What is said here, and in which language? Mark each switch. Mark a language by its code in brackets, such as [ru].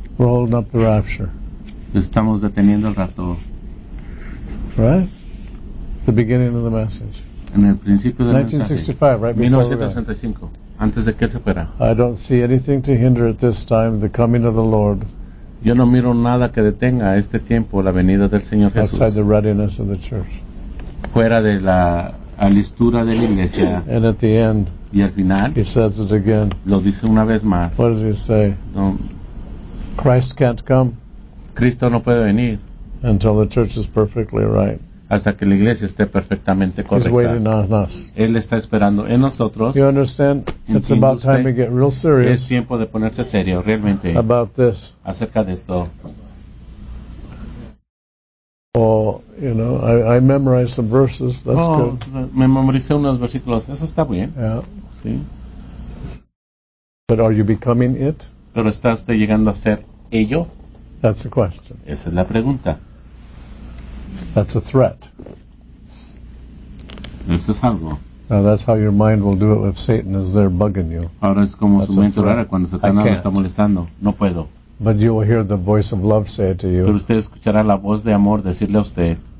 [en] We're holding up the rapture. [es] Estamos deteniendo el rapto. [en] Right? The beginning of the message. [es] En el principio del 1965, mensaje. [en] Right before. I don't see anything to hinder at this time the coming of the Lord. [es] Yo no miro nada que detenga este tiempo la venida del Señor Jesús. [en] Outside the readiness of the church. [es] Fuera de la alistura de la iglesia. [en] And at the end. [es] Y al final. [en] He says it again. [es] Lo dice una vez más. [en] What does he say? Christ can't come. [es] Cristo no puede venir. [en] Until the church is perfectly right. [es] Hasta que la iglesia esté perfectamente correcta. [en] He's waiting on us. [es] Él está esperando en nosotros. [en] You understand? It's about time to get real serious. [es] Es tiempo de ponerse serio, realmente. [en] About this. [es] Acerca de esto. [en] I memorized some verses. That's good. [es] Me memoricé unos versículos. Eso está bien. [en] Yeah. [es] Sí. [en] But are you becoming it? [es] Pero estás llegando a ser ello. [en] That's the question. [es] Esa es la pregunta. [en] That's a threat. [es] Eso es algo. [en] Now that's how your mind will do it if Satan is there bugging you. [es] Ahora es como su mente rara cuando Satanás lo está molestando. No puedo. [en] But you will hear the voice of love say it to you. [es] Pero usted escuchará la voz de amor decirle a usted.